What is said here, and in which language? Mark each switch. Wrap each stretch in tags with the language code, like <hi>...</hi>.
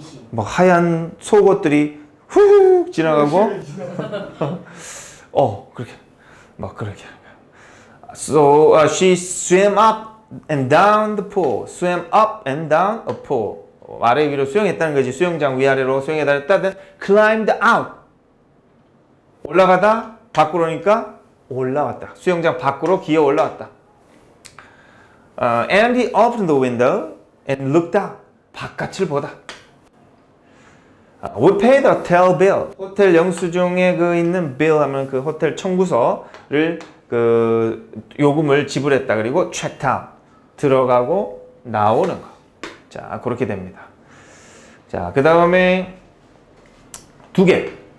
<ko>뭐 하얀 속옷들이 후훅 지나가고 그렇게 막 그렇게</ko> <en>So she swam up and down the pool. Swam up and down a pool.</en> <ko>아래 위로 수영했다는 거지. 수영장 위아래로 수영했다는.</ko> <en>Climbed out.</en> <ko>올라가다 밖으로 오니까 올라왔다. 수영장 밖으로 기어 올라왔다.</ko> <en>And he opened the window and looked out.</en> <ko>바깥을 보다.</ko> <en>We paid the hotel bill.</en> <ko>호텔 영수증에 그 있는 bill 하면 그 호텔 청구서를 그 요금을 지불했다. 그리고 checked out. 들어가고 나오는 거. 자, 그렇게 됩니다. 자, 그 다음에 두 개.</ko>